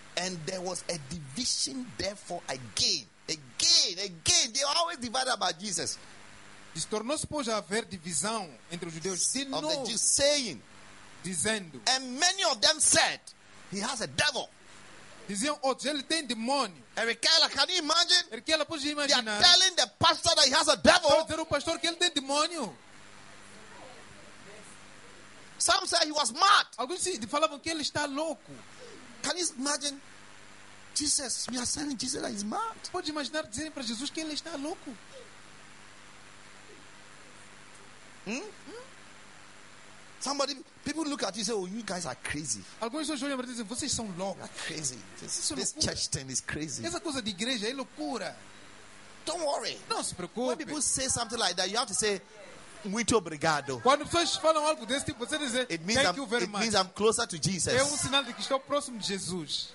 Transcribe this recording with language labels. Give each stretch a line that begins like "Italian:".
English: And there was a division therefore again. They always divided about Jesus.
Portuguese: Tornou-se pois a haver divisão entre os judeus de novo.
English: Of the Jews saying,
Portuguese: dizendo.
English: And many of them said, he has a devil.
Portuguese: Diziam outros, ele tem demônio.
English: Erickella, can you imagine?
Portuguese: Erickella, pode imaginar?
English: They are telling the pastor that he has a devil.
Portuguese: Estão dizendo ao pastor que ele tem demônio.
English: Some said he was mad.
Portuguese: Alguns falavam que ele está louco.
English: Can you imagine? Jesus, we are saying Jesus is mad.
Portuguese: Pode imaginar dizerem para Jesus que ele está louco?
English: Somebody, people look at you and say, oh, you guys are crazy.
Portuguese: Alguns pessoas olham para dizem, vocês são loucos.
English: You're crazy. This church thing is crazy.
Portuguese: Essa coisa de igreja é loucura.
English: Don't worry.
Portuguese: Não se preocupe.
English: When people say something like that, you have to say,
Portuguese: muito obrigado. Quando vocês falam algo desse tipo, você diz,
English: it means thank you very it much. Means I'm closer to Jesus.
Portuguese: É um sinal de que estou próximo de Jesus.